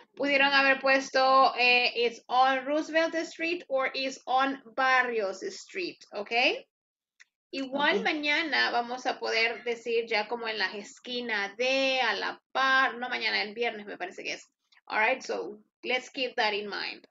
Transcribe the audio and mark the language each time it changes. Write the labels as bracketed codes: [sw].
[es] Pudieron haber puesto, [en] it's on Roosevelt Street or it's on Barrios Street, okay? [es] Igual okay. Mañana vamos a poder decir ya como en las esquinas de, a la par, no mañana, el viernes me parece que es. [en] All right, so let's keep that in mind.